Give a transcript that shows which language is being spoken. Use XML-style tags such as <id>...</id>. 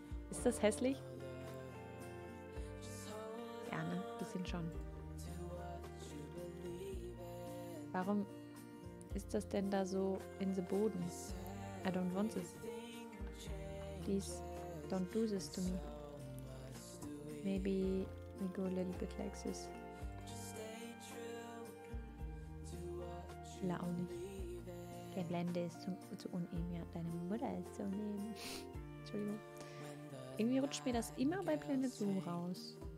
<de>Ist das hässlich? Ja, ne? Bisschen schon. Warum ist das denn da so</de> <en>in the</en> <de>Boden?</de> <en>I don't want this. Please don't do this to me. Maybe we go a little bit like this.</en> <de>Will er auch nicht. Der Blende ist zu unehm, ja. Deine Mutter ist zu unehm. Entschuldigung. Irgendwie rutscht mir das immer bei Planet Zoom raus.</de>